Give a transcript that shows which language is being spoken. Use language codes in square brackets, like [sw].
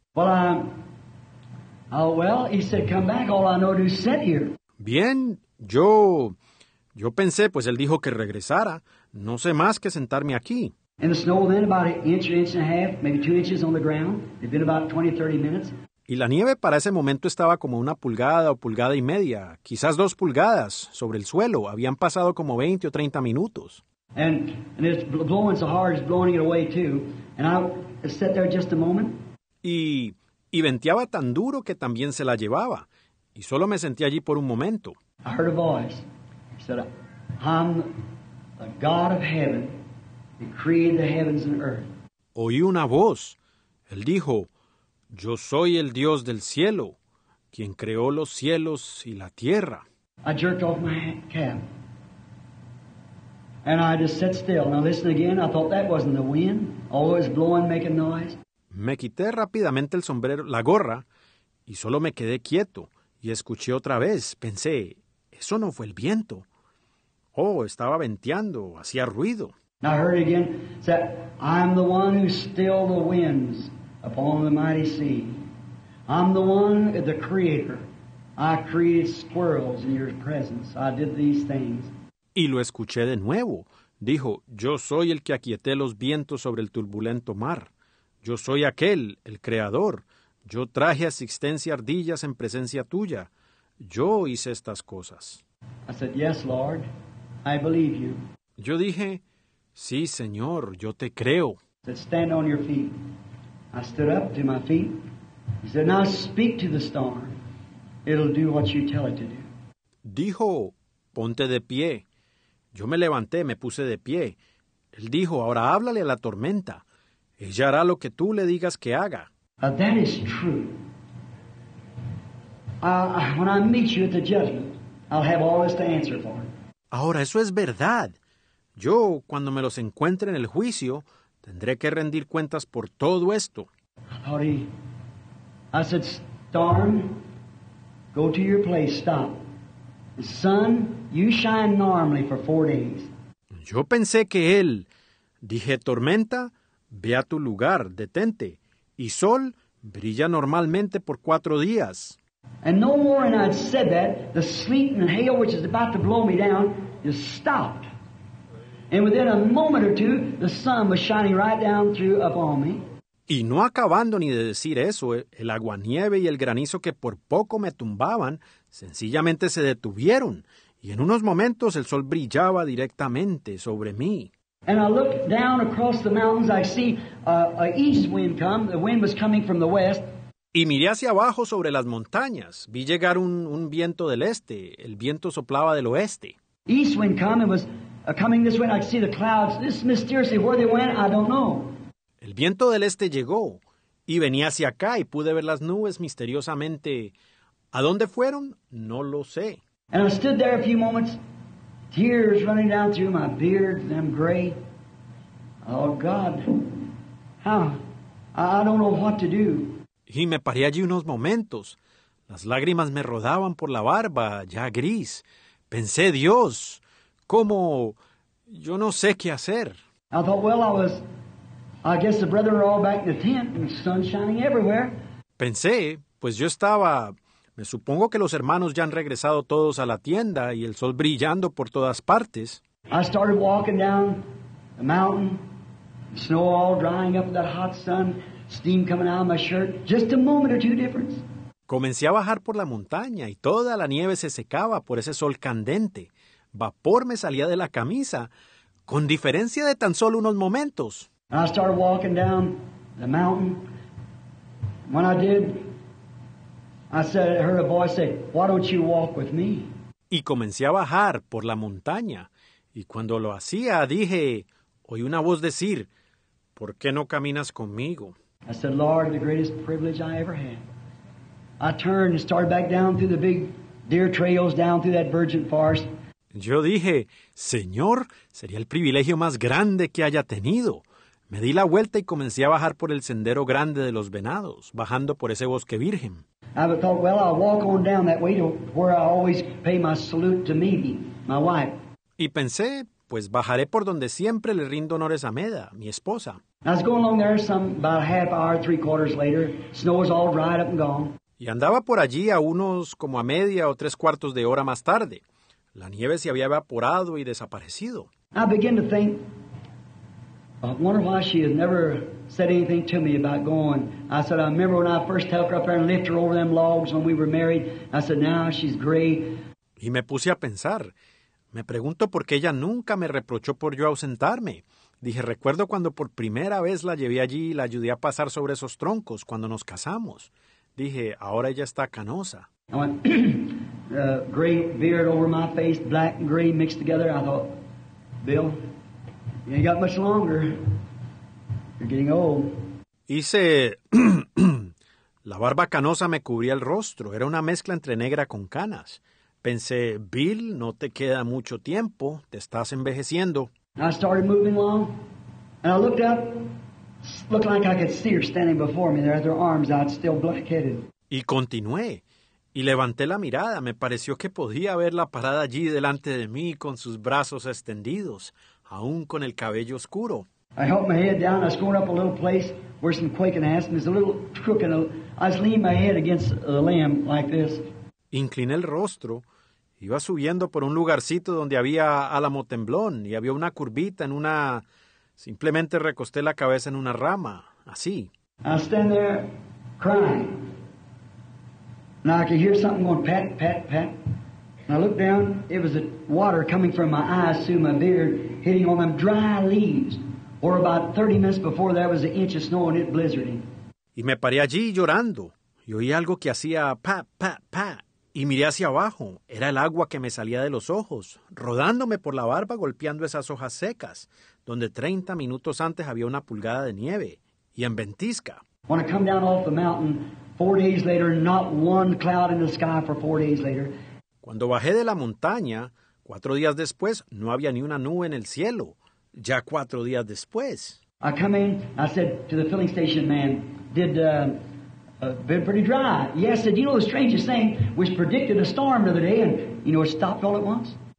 [en] Well, he said, come back, all I know to sit here. [es] Bien, yo pensé, pues él dijo que regresara, no sé más que sentarme aquí. [en] And the snow then about an inch, inch and a half, maybe 2 inches on the ground. It'd been about 20, 30 minutes. [es] Y la nieve para ese momento estaba como una pulgada o pulgada y media, quizás 2 pulgadas sobre el suelo. Habían pasado como 20 o 30 minutos. [en] And it's blowing so hard, it's blowing it away too. And I sat there just a moment. [es] Y venteaba tan duro que también se la llevaba. Y solo me sentí allí por un momento. [en] I heard a voice. He said, I'm the God of heaven who created the heavens and earth. [es] Oí una voz. Él dijo, yo soy el Dios del cielo, quien creó los cielos y la tierra. [en] I jerked off my cap. And I just sat still. Now listen again. I thought that wasn't the wind. Always blowing, making noise. [es] Me quité rápidamente el sombrero, la gorra, y solo me quedé quieto. Y escuché otra vez. Pensé, eso no fue el viento. Oh, estaba venteando, hacía ruido. [en] I heard again, said, I'm the one who still the winds upon the mighty sea. I'm the one, the creator. I created squirrels in your presence. I did these things. [es] Y lo escuché de nuevo. Dijo, yo soy el que aquieté los vientos sobre el turbulento mar. Yo soy aquel, el creador. Yo traje a existencia ardillas en presencia tuya. Yo hice estas cosas. [en] I said, yes, Lord, I believe you. [es] Yo dije, sí, Señor, yo te creo. [en] He said, stand on your feet. I stood up to my feet. He said, now speak to the storm. It'll do what you tell it to do. [es] Dijo, ponte de pie. Yo me levanté, me puse de pie. Él dijo, ahora háblale a la tormenta. Ella hará lo que tú le digas que haga. [en] That is true. When I meet you at the judgment, I'll have all this to answer for. [es] Ahora, eso es verdad. Yo, cuando me los encuentre en el juicio, tendré que rendir cuentas por todo esto. [en] I said, storm, go to your place, stop. Sun, you shine normally for 4 days. [es] Yo pensé que él, dije, tormenta, ve a tu lugar, detente. Y sol brilla normalmente por 4 días. [en] And no more than I'd said that, the sleet and hail which is about to blow me down is stopped. And within a moment or two, the sun was shining right down through upon me. [es] Y no acabando ni de decir eso, el aguanieve y el granizo que por poco me tumbaban, sencillamente se detuvieron. Y en unos momentos el sol brillaba directamente sobre mí. [en] And I look down across the mountains, I see a east wind come. The wind was coming from the west. [es] Y miré hacia abajo sobre las montañas. Vi llegar un viento del este. El viento soplaba del oeste. [en] East wind come and was coming this way. I see the clouds. This mysteriously, where they went, I don't know. [es] El viento del este llegó y venía hacia acá y pude ver las nubes misteriosamente. ¿A dónde fueron? No lo sé. [en] And I stood there a few moments. Tears running down through my beard, them gray. Oh, God, how? I don't know what to do. [es] Y me paré allí unos momentos. Las lágrimas me rodaban por la barba, ya gris. Pensé, Dios, cómo, yo no sé qué hacer. [en] I thought, well, I guess the brethren are all back in the tent and the sun's shining everywhere. [es] Pensé, pues yo estaba... Me supongo que los hermanos ya han regresado todos a la tienda y el sol brillando por todas partes. [en] I started walking down the mountain, the snow all drying up with that hot sun, steam coming out of my shirt, just a moment or two difference. [es] Comencé a bajar por la montaña y toda la nieve se secaba por ese sol candente. Vapor me salía de la camisa, con diferencia de tan solo unos momentos. [en] I started walking down the mountain. When I did, I heard a voice say, "Why don't you walk with me?" [es] Y comencé a bajar por la montaña. Y cuando lo hacía, dije, oí una voz decir, "¿Por qué no caminas conmigo?" [en] I said, "Lord, the greatest privilege I ever had." I turned and started back down through the big deer trails, down through that virgin forest. [es] Yo dije, "Señor, sería el privilegio más grande que haya tenido." Me di la vuelta y comencé a bajar por el sendero grande de los venados, bajando por ese bosque virgen. [en] I thought, "Well, I'll walk on down that way to where I always pay my salute to Meda, my wife." [es] Y pensé, pues bajaré por donde siempre le rindo honores a Meda, mi esposa. [en] I was going along there some about a half hour, three quarters later. Snow was all dried up and gone. [es] Y andaba por allí a unos como a media o tres cuartos de hora más tarde. La nieve se había evaporado y desaparecido. [en] I began to think, I wonder why she has never said anything to me about going. I said, "I remember when I first took her up there and lifted her over them logs when we were married." I said, "Now she's gray." [es] Y me puse a pensar. Me pregunto por qué ella nunca me reprochó por yo ausentarme. Dije, recuerdo cuando por primera vez la llevé allí y la ayudé a pasar sobre esos troncos cuando nos casamos. Dije, ahora ella está canosa. [en] I went, gray beard over my face, black and gray mixed together. I thought, "Bill, you ain't got much longer. You're getting old." [es] Hice, la barba canosa me cubría el rostro. Era una mezcla entre negra con canas. Pensé, "Bill, no te queda mucho tiempo. Te estás envejeciendo." [en] I started moving along, and I looked up. Looked like I could see her standing before me there with her arms out, still black-headed. [es] Y continué, y levanté la mirada. Me pareció que podía verla parada allí delante de mí con sus brazos extendidos, aún con el cabello oscuro. [en] I held my head down. I was going up a little place where some quaking ass, and there's a little crook in a... I was leaning my head against the limb like this. [es] Incliné el rostro. Iba subiendo por un lugarcito donde había álamo temblón, y había una curvita en una... Simplemente recosté la cabeza en una rama, así. [en] I stand there crying. Now I could hear something going pat, pat, pat. And I looked down. It was the water coming from my eyes through my beard, hitting on them dry leaves. Or about 30 minutes before, there was an inch of snow and it blizzarding. [es] Y me paré allí llorando. Y oí algo que hacía pat, pat, pat. Y miré hacia abajo. Era el agua que me salía de los ojos, rodándome por la barba, golpeando esas hojas secas, donde 30 minutos antes había una pulgada de nieve, y en ventisca. [en] When I come down off the mountain, 4 days later, not one cloud in the sky for 4 days later. [es] Cuando bajé de la montaña, 4 días después, no había ni una nube en el cielo, ya 4 días después. [en] I come in, I said to the filling station man, been pretty dry. Yeah, I said, you know the strangest thing, we predicted a storm the other day, and you know it stopped all at once.